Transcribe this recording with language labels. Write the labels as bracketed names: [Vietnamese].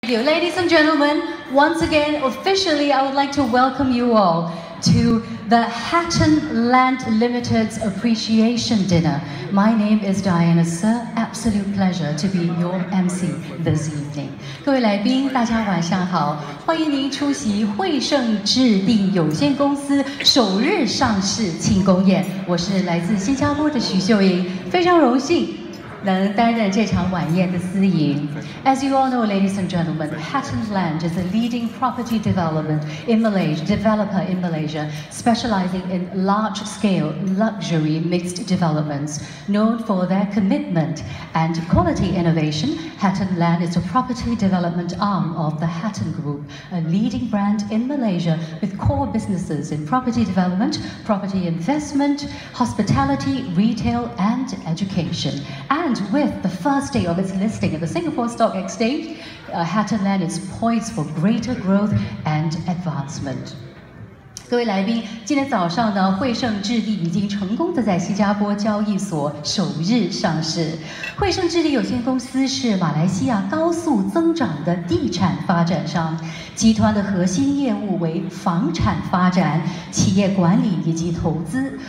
[English] Dear ladies and gentlemen, once again, officially, I would like to welcome you all to the Hatton Land Limited's Appreciation Dinner. My name is Diana Sir. Absolute pleasure to be your MC this evening. [Chinese] 各位来宾，大家晚上好，欢迎您出席惠盛置地有限公司首日上市庆功宴。我是来自新加坡的徐秀英，非常荣幸能担任这场晚宴的司仪。 [English] As you all know, ladies and gentlemen, Hatton Land is a leading property development in Malaysia, developer in Malaysia, specializing in large-scale luxury mixed developments. Known for their commitment and quality innovation, Hatton Land is a property development arm of the Hatton Group, a leading brand in Malaysia with core businesses in property development, property investment, hospitality, retail, and education. And with the first day of its listing at the Singapore Stock Exchange, Hatton Land is poised for greater growth and advancement. [Chinese] 各位来宾，今天早上呢，惠盛置地已经成功的在新加坡交易所首日上市。惠盛置地有限公司是马来西亚高速增长的地产发展商，集团的核心业务为房产发展、企业管理以及投资。